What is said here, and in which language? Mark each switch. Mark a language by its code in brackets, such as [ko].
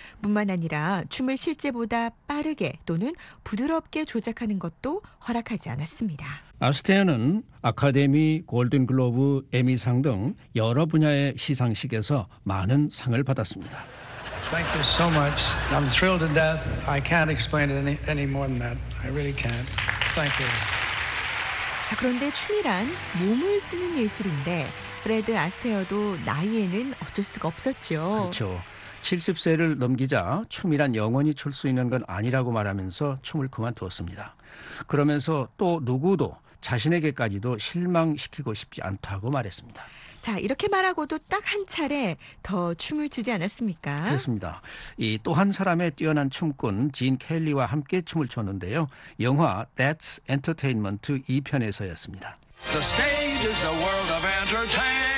[ko] 뿐만 아니라 춤을 실제보다 빠르게 또는 부드럽게 조작하는 것도 허락하지 않았습니다. 아스테어는 아카데미, 골든글로브, 에미상 등 여러 분야의 시상식에서 많은 상을 받았습니다. [en] Thank you so much. I'm thrilled to death. I can't explain it any more than that. I really can't. Thank you. [ko] 자, 그런데 춤이란 몸을 쓰는 예술인데 프레드 아스테어도 나이에는 어쩔 수가 없었죠. 그렇죠. 70세를 넘기자 춤이란 영원히 출 수 있는 건 아니라고 말하면서 춤을 그만두었습니다. 그러면서 또 누구도 자신에게까지도 실망시키고 싶지 않다고 말했습니다. 자, 이렇게 말하고도 딱 한 차례 더 춤을 추지 않았습니까? 그렇습니다. 이 또 한 사람의 뛰어난 춤꾼 진 켈리와 함께 춤을 췄는데요. 영화 That's Entertainment 2편에서였습니다. [en] The stage is a world of entertainment.